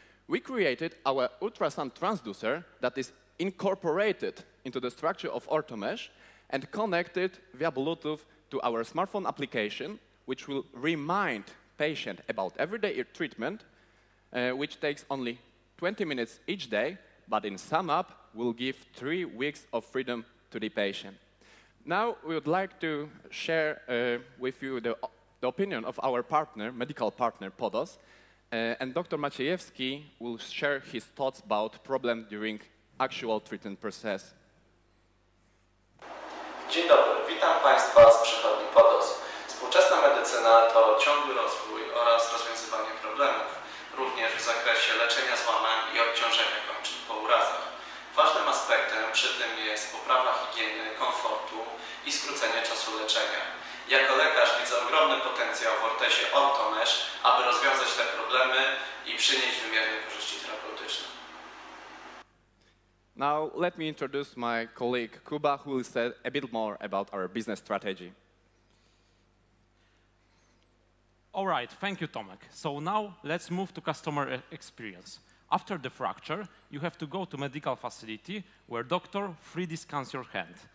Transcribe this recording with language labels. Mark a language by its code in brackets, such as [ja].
[en] We created our ultrasound transducer that is incorporated into the structure of Ortomesh and connected via Bluetooth to our smartphone application, which will remind patient about everyday treatment, which takes only 20 minutes each day, but in sum up, will give 3 weeks of freedom to the patient. Now, we would like to share with you the opinion of our partner, medical partner, Podos, and Dr. Maciejewski will share his thoughts about problem during actual treatment process. [pl] Dzień dobry, witam Państwa z przychodni Podos. Współczesna medycyna to ciągły rozwój oraz rozwiązywanie problemów, również w zakresie leczenia złamań i obciążenia kończyn po urazach. Ważnym aspektem przy tym jest poprawa higieny, komfortu i skrócenie czasu leczenia. Jako lekarz widzę ogromny potencjał w ortezie Ortomesh, aby rozwiązać te problemy i przynieść wymierne korzyści terapeutyczne. [en] Now let me introduce my colleague Kuba, who will say a bit more about our business strategy. All right, thank you, Tomek. So now let's move to customer experience. After the fracture, you have to go to medical facility where doctor 3D scans your hand.